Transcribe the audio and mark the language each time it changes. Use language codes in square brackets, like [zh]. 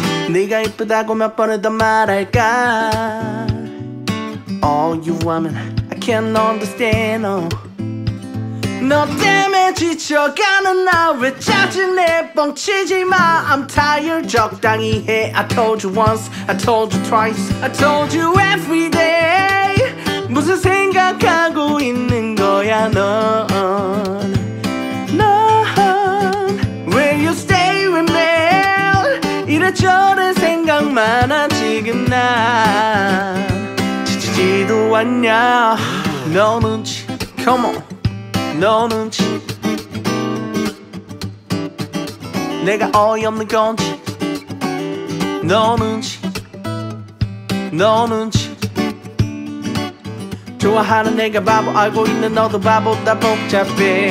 [ko] 네가 이쁘다고 몇 번을 더 말할까 [en] All you women, I can't understand. Oh. [ko] 너 때문에 지쳐가는 나 왜 짜증내 뻥치지 마. [en] I'm tired, [ko] 적당히 해. [en] I told you once, I told you twice, I told you every day. [ko] 무슨 생각하고 있는 거야 넌? 넌 [en] Will you stay with me? [ko] 이래저래 생각 많아 지금 나. 지도 않냐 너 눈치 [en] Come on [ko] 너 눈치 내가 어이없는 건지 너 눈치 너 눈치 좋아하는 내가 바보 알고 있는 너도 바보다 복잡해